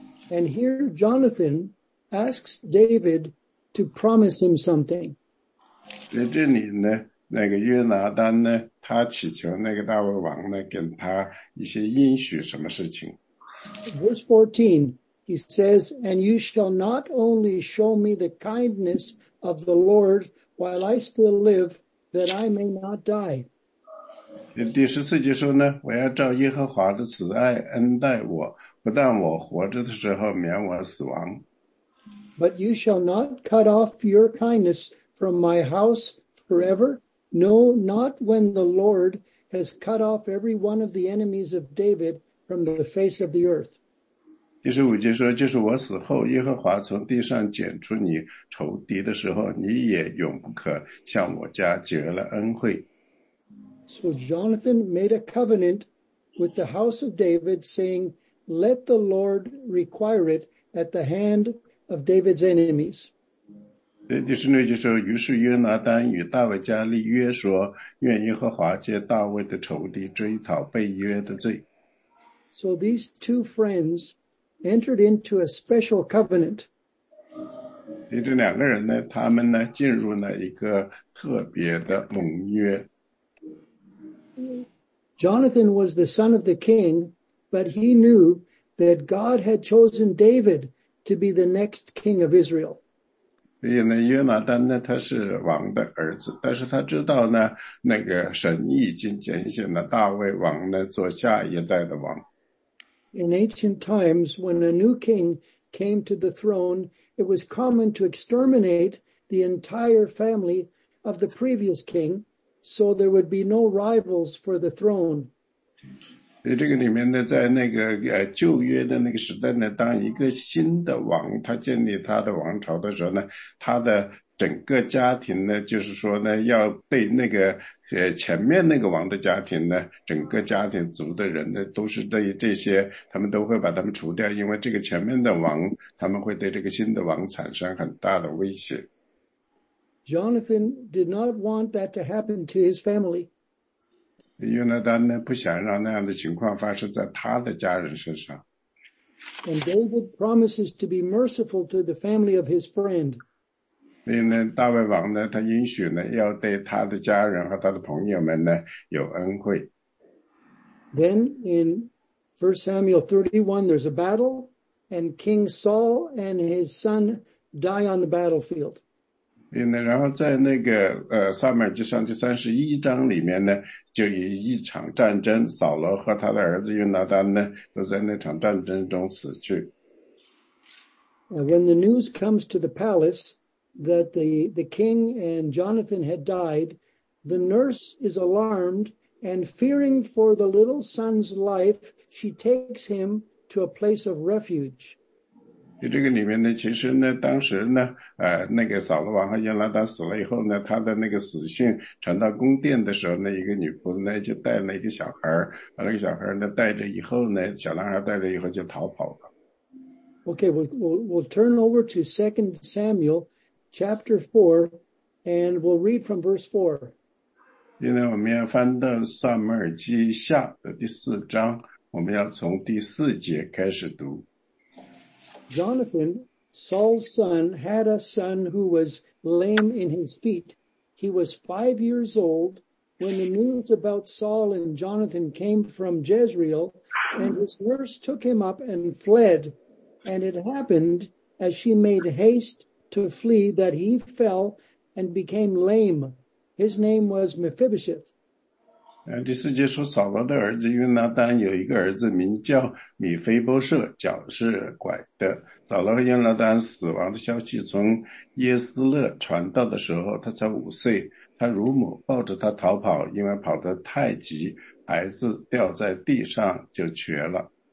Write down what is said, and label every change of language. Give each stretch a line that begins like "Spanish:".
English: And here Jonathan asks David to promise him something.
Chinese: 在这里呢那个约拿单呢他祈求那个大卫王呢跟他一些应许什么事情。
English: Verse 14, he says, And you shall not only show me the kindness of the Lord while I still live, that I may not die.
Chinese: 第十四节说呢我要照耶和华的慈爱恩待我不但我活着的时候免我死亡。
English: But you shall not cut off your kindness from my house forever? No, not when the Lord has cut off every one of the enemies of David from the face of the earth.
Chinese: 第十五节说就是我死后耶和华从地上剪除你仇敌的时候你也永不可向我家结了恩惠。
English: So Jonathan made a covenant with the house of David saying, let the Lord require it at the hand of David's enemies.
Chinese: 第十六节说于是约拿单与大卫家立约说愿耶和华借大卫的仇敌追讨被约的罪。
English: So these two friends entered into a special covenant.
Chinese: 这两个人呢他们呢进入了一个特别的盟约。
English: Jonathan was the son of the king, but he knew that God had chosen David to be the next king of Israel.
Chinese: 所以呢，约拿单呢，他是王的儿子，但是他知道呢，那个神已经拣选了大卫王呢，做下一代的王。
English: In ancient times, when a new king came to the throne, it was common to exterminate the entire family of the previous king. So there would be no rivals for the throne.
Chinese: 这个里面呢在那个旧约的那个时代呢当一个新的王他建立他的王朝的时候呢他的整个家庭呢就是说呢要对那个前面那个王的家庭呢整个家庭族的人呢都是对这些他们都会把他们除掉因为这个前面的王他们会对这个新的王产生很大的威胁。
English: Jonathan did not want that to happen to his family.
Chinese: 约拿单呢不想让那样的情况发生在他的家人身上。
English: And David promises to be merciful to the family of his friend.
Chinese: 所以呢大卫王呢他应许呢要对他的家人和他的朋友们呢有恩惠。
English: Then in 1 Samuel 31 there's a battle and King Saul and his son die on the battlefield.
Chinese: 然后在那个撒母耳记上第三十一章里面呢就有一场战争扫罗和他的儿子约拿单呢都在那场战争中死去。
English: And when the news comes to the palace that the king and Jonathan had died, the nurse is alarmed and fearing for the little son's life, she takes him to a place of refuge.
Chinese: 这个里面呢其实呢当时呢那个扫罗王和约拿单死了以后呢他的那个死讯传到宫殿的时候那一个女仆呢就带了一个小孩那个小孩呢带着以后呢小男孩带着以后就逃跑了。
English: Okay, we'll turn over to 2 Samuel chapter 4 and we'll read from verse 4.
Chinese: 今天我们要翻到撒母耳记下的第四章我们要从第四节开始读。
English: Jonathan, Saul's son, had a son who was lame in his feet. He was 5 years old when the news about Saul and Jonathan came from Jezreel, and his nurse took him up and fled. And it happened, as she made haste to flee, that he fell and became lame. His name was Mephibosheth.
Chinese: 第四节说扫罗的儿子约拿单有一个儿子名叫米非波设脚是拐的扫罗和约拿单死亡的消息从耶斯勒传到的时候他才5岁他乳母抱着他逃跑因为跑得太急孩子掉在地上就瘸了